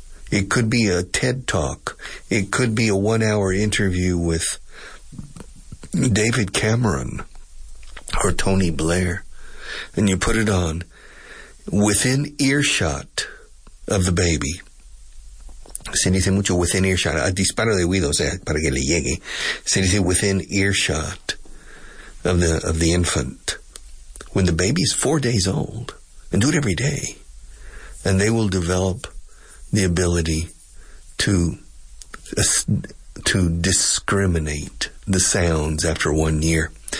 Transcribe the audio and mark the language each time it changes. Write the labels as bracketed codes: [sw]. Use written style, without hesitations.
[en] It could be a TED talk. It could be a 1 hour interview with David Cameron or Tony Blair. And you put it on within earshot of the baby. [es] Se dice mucho [en] within earshot. [es] A disparo de oído, o sea, para que le llegue. Se dice [en] within earshot of the infant. When the baby is 4 days old, and do it every day, and they will develop the ability to discriminate the sounds after 1 year.